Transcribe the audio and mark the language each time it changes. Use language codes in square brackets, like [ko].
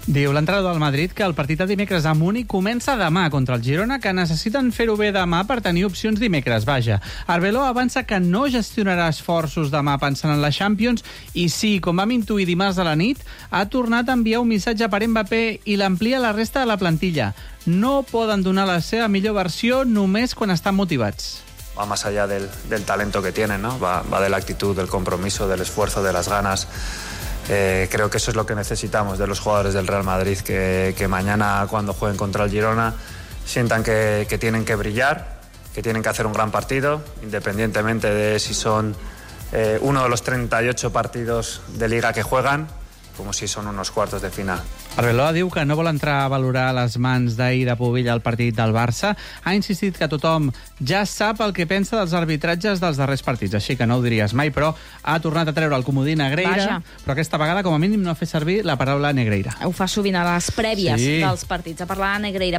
[ca] Diu l'entrenador del Madrid que el partit de dimecres a Múnich comença demà contra el Girona, que necessiten fer-ho bé demà per tenir opcions dimecres, vaja. Arbeló avança que no gestionarà esforços demà pensant en la Champions i sí, com vam intuir dimarts a la nit, ha tornat a enviar un missatge per Mbappé i l'amplia la resta de la plantilla. No poden donar la seva millor versió només quan estan motivats. [es] Va más allá del talento que tienen, ¿no? Va de la actitud, del compromiso, del esfuerzo, de las ganas. Creo que eso es lo que necesitamos de los jugadores del Real Madrid, que mañana cuando jueguen contra el Girona sientan que tienen que brillar, que tienen que hacer un gran partido, independientemente de si son uno de los 38 partidos de liga que juegan, como si son unos cuartos de final. [ca] Arbeloa diu que no vol entrar a valorar les mans d'ahir de Pubilla al partit del Barça. Ha insistit que tothom ja sap el que pensa dels arbitratges dels darrers partits, així que no ho diries mai, però ha tornat a treure el comodí Negreira. Vaja. Però aquesta vegada, com a mínim, no ha fet servir la paraula Negreira. Ho fa sovint a les prèvies, sí, dels partits, a parlar de Negreira.